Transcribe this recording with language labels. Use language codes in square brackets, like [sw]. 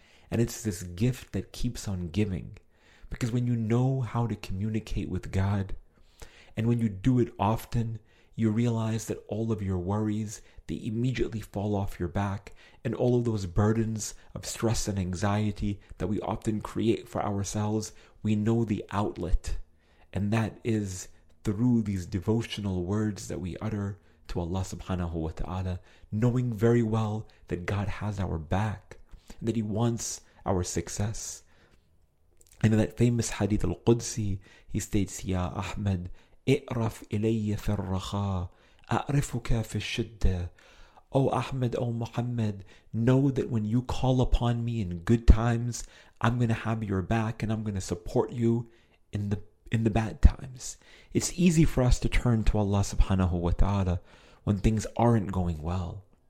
[en] And it's this gift that keeps on giving. Because when you know how to communicate with God, and when you do it often, you realize that all of your worries, they immediately fall off your back, and all of those burdens of stress and anxiety that we often create for ourselves, we know the outlet. And that is through these devotional words that we utter to Allah subhanahu wa ta'ala, knowing very well that God has our back, and that He wants our success. And in that famous hadith al-Qudsi, He states, Ya Ahmed, [ar] اعرف إلي في الرخاء أعرفك في الشدة. [en] O Ahmed, O Muhammad, know that when you call upon me in good times, I'm going to have your back and I'm going to support you in the bad times. It's easy for us to turn to Allah subhanahu wa ta'ala when things aren't going well.